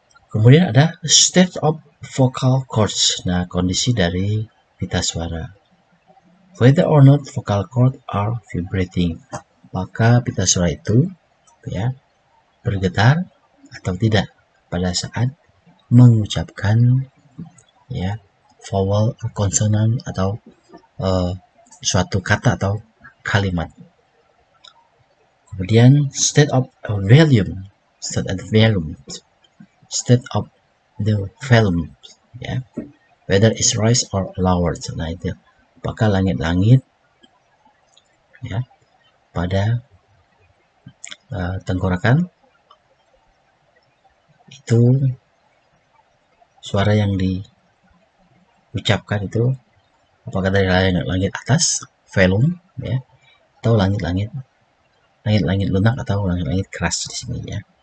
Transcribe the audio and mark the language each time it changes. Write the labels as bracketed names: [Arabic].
[Indonesian] Kemudian ada state of vocal cords. Nah, kondisi dari pita suara, [English] whether or not vocal cords are vibrating, [Indonesian] apakah pita suara itu ya bergetar atau tidak pada saat mengucapkan ya vowel, konsonan atau suatu kata atau kalimat. Kemudian [English] state of the volume ya, whether it's raised or lowered. [Indonesian] Nah, itu apakah langit-langit ya pada tenggorokan itu suara yang diucapkan itu apakah dari langit-langit atas, volume ya, atau langit-langit lunak atau langit-langit keras di sini ya.